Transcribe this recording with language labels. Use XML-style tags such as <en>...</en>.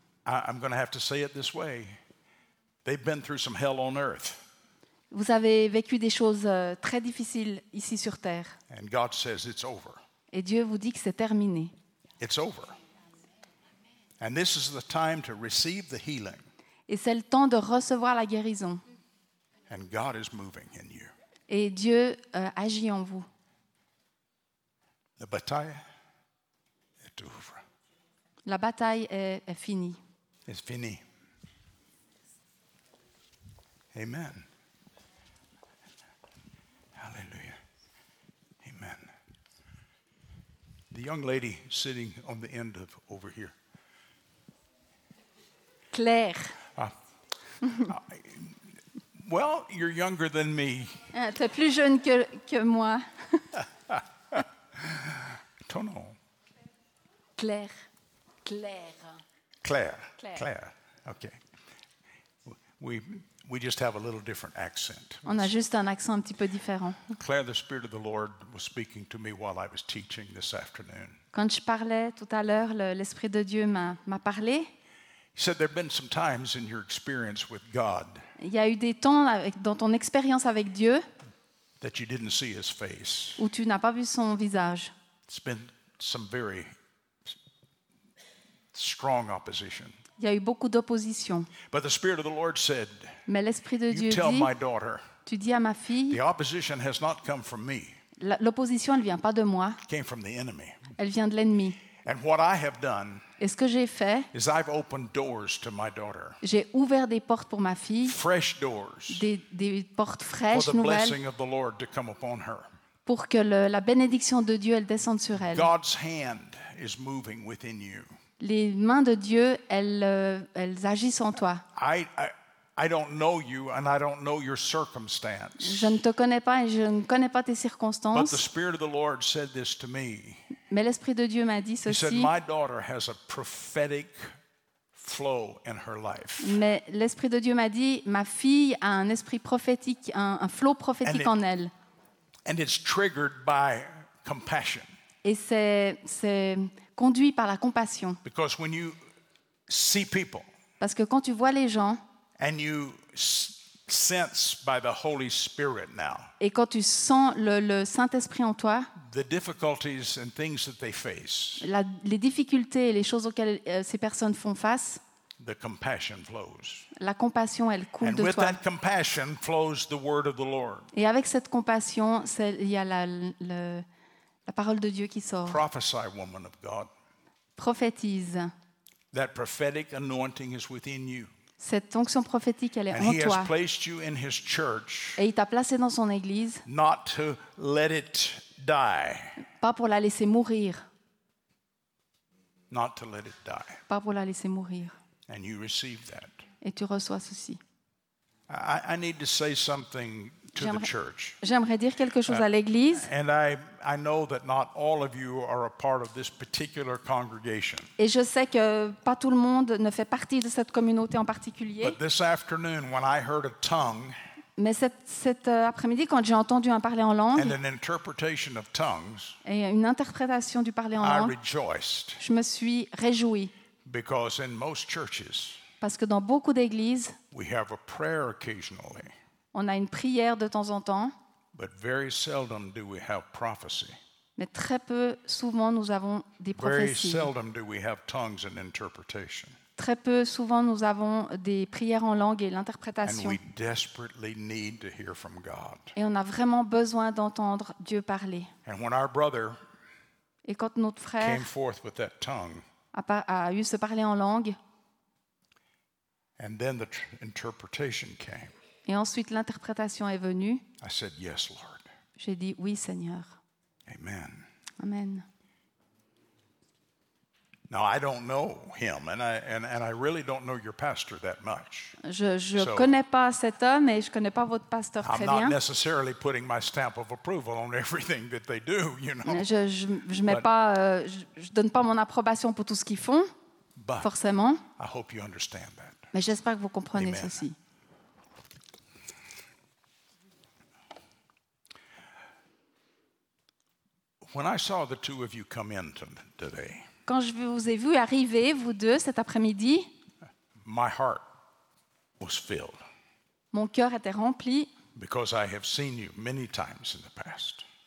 <en>I'm going to have to say it this way. They've been through some hell on earth.</en> <fr>Vous avez vécu des choses très difficiles ici sur terre.</fr> <en>And God says it's over.</en> <fr>Et Dieu vous dit que c'est terminé.</fr> <en>It's over. And this is the time to receive the healing.</en> <fr>Et c'est le temps de recevoir la guérison.</fr> <en>And God is moving in you.</en> <fr>Et Dieu agit en vous. La bataille est</fr> <en>over.</en> <fr>La bataille est finie.</fr> <en>It's</en> <fr>fini.</fr> <en>Amen. Hallelujah. Amen. The young lady sitting on the end of over here. Claire. Well, you're younger than me.</en> <fr>T'es plus jeune que moi. Ton nom. Claire. Claire.</fr> <en>Claire. Claire. Claire. Okay. We. We just have a little different accent.</en> <fr>On a juste un accent un petit peu différent.</fr> <en>Claire, the Spirit of the Lord was speaking to me while I was teaching this afternoon.</en> <fr>Quand je parlais tout à l'heure, l'Esprit de Dieu m'a parlé.</fr> <en>He said there have been some times in your experience with God.</en> <fr>Il y a eu des temps dans ton expérience avec Dieu.</fr> <en>That you didn't see His face.</en> <fr>Où tu n'as pas vu son visage.</fr> <en>It's been some very strong opposition.</en> <fr>Il y a eu beaucoup d'opposition.</fr> <en>But the Spirit of the Lord said,</en> <fr>mais l'Esprit de Dieu dit, tu dis à ma fille,</fr> <en>the opposition has not come from me.</en> <fr>L'opposition ne vient pas de moi.</fr> <en>It came from the enemy.</en> <fr>Elle vient de l'ennemi.</fr> <en>And what I have done,</en> <fr>et ce que j'ai fait,</fr> <en>is I've opened doors to my daughter.</en> <fr>J'ai ouvert des portes pour ma fille,</fr> <en>fresh doors,</en> <fr>des portes fraîches, nouvelles,</fr> <en>for the blessing of the Lord to come upon her.</en> <fr>Pour que la bénédiction de Dieu elle descende sur elle.</fr> <en>God's hand is moving within you.</en> <fr>Les mains de Dieu, elles agissent en toi.</fr> <en>I don't know you and I don't know your circumstance.</en> <fr>Je ne te connais pas et je ne connais pas tes circonstances.</fr> <en>But the Spirit of the Lord said this to me.</en> <fr>Mais l'Esprit de Dieu m'a dit ceci.</fr> <en>He said, my daughter has a prophetic flow in her life.</en> <fr>Mais l'Esprit de Dieu m'a dit, ma fille a un esprit prophétique, un flot prophétique en elle.</fr> <en>And it's triggered by compassion.</en> <fr>Et c'est conduit par la compassion.</fr> <en>Because when you see people,</en> <fr>parce que quand tu vois les gens,</fr> <en>and you sense by the Holy Spirit now,</en> <fr>et quand tu sens le Saint-Esprit en toi,</fr> <en>the difficulties and things that they face,</en> <fr>les difficultés et les choses auxquelles ces personnes font face,</fr> <en>the compassion flows.</en> <fr>La compassion, elle coule</fr> <en>and</en> <fr>de toi.</fr> <en>And with that compassion flows the word of the Lord.</en> <fr>Et avec cette compassion, il y a la parole de Dieu qui sort.</fr> <en>Prophesy, woman of God.</en> <fr>Prophétise.</fr> <en>That prophetic anointing is within you.</en> <fr>Cette onction prophétique, elle est</fr> <en>and</en> <fr>en</fr> <en>he</en> <fr>toi.</fr> <en>Has placed you in his church.</en> <fr>Et il t'a placé dans son église.</fr> <en>Not to let it die.</en> <fr>Pas pour la laisser mourir.</fr> <en>Not to let it die.</en> <fr>Pas pour la laisser mourir.</fr> <en>And you receive that.</en> <fr>Et tu reçois ceci.</fr> <en>I need to say something to the church.</en> <fr>J'aimerais dire quelque chose à l'église.</fr> <en>And I know that not all of you are a part of this particular congregation.</en> <fr>Et je sais que pas tout le monde ne fait partie de cette communauté en particulier.</fr> <en>But this afternoon when I heard a tongue,</en> <fr>mais cet après-midi quand j'ai entendu un parler en langue,</fr> <en>and an interpretation of tongues,</en> <fr>et une interprétation du parler en langue,</fr> <en>I rejoiced.</en> <fr>Je me suis réjoui.</fr> <en>Because in most churches,</en> <fr>parce que dans beaucoup d'églises,</fr> <en>we have a prayer occasionally,</en> <fr>on a une prière de temps en temps,</fr> <en>but very seldom do we have prophecy.</en> <fr>Mais très peu souvent nous avons des prophéties.</fr> <en>Very seldom do we have tongues and interpretation.</en> <fr>Très peu souvent nous avons des prières en langue et l'interprétation.</fr> <en>And we desperately need to hear from God.</en> <fr>Et on a vraiment besoin d'entendre Dieu parler.</fr> <en>And when our brother</en> <fr>et quand notre frère</fr> <en>came forth with that tongue,</en> <fr>a eu ce parler en langue.</fr> <en>And then the interpretation came.</en> <fr>Et ensuite l'interprétation est venue.</fr> <en>I said, yes, Lord.</en> <fr>J'ai dit oui, Seigneur.</fr> <en>Amen. Amen. Now I don't know him, and I really don't know your pastor that much.</en> <fr>Je so, connais pas cet homme et je connais pas votre pasteur très bien.</fr> <en>I'm not necessarily putting my stamp of approval on everything that they do, you know.</en> <fr>Je mets pas, je donne pas mon approbation pour tout ce qu'ils font,</fr> <en>but</en> <fr>forcément.</fr> <en>I hope you understand that.</en> <fr>Mais j'espère que vous comprenez ceci.</fr> <en>When I saw the two of you come in today.</en> <fr>Quand je vous ai vu arriver, vous deux, cet après-midi,</fr> <en>my heart was filled.</en> <fr>Mon cœur était rempli.</fr> <en>Because I have seen you many times in the past.</en>